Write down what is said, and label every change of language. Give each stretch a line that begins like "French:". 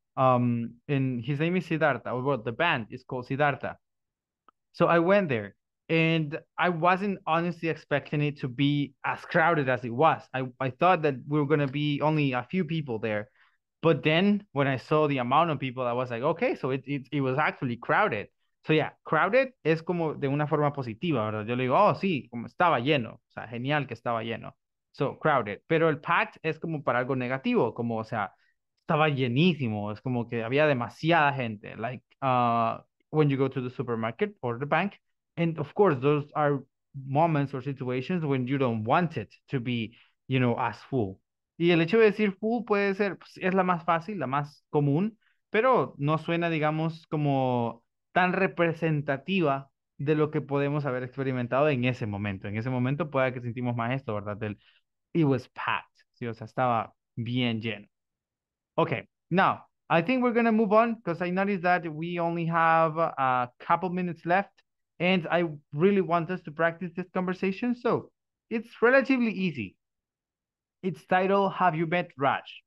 English: And his name is Siddhartha. Well, the band is called Siddhartha. So I went there, and I wasn't honestly expecting it to be as crowded as it was. I thought that we were going to be only a few people there. But then when I saw the amount of people, I was like, okay, so it was actually crowded.
Spanish: So yeah, crowded es como de una forma positiva, ¿verdad? Yo le digo, oh, sí, como estaba lleno. O sea, genial que estaba lleno. So crowded. Pero el packed es como para algo negativo, como, o sea, estaba llenísimo. Es como que había demasiada gente.
English: Like when you go to the supermarket or the bank. And of course, those are moments or situations when you don't want it to be, you know, as full.
Spanish: Y el hecho de decir full puede ser, pues, es la más fácil, la más común, pero no suena, digamos, como tan representativa de lo que podemos haber experimentado en ese momento. En ese momento puede que sentimos más esto, ¿verdad? Del,
English: it was packed.
Spanish: ¿Sí? O sea, estaba bien lleno.
English: Okay, now, I think we're going to move on because I noticed that we only have a couple minutes left and I really want us to practice this conversation. So, it's relatively easy. It's titled, Have You Met Raj?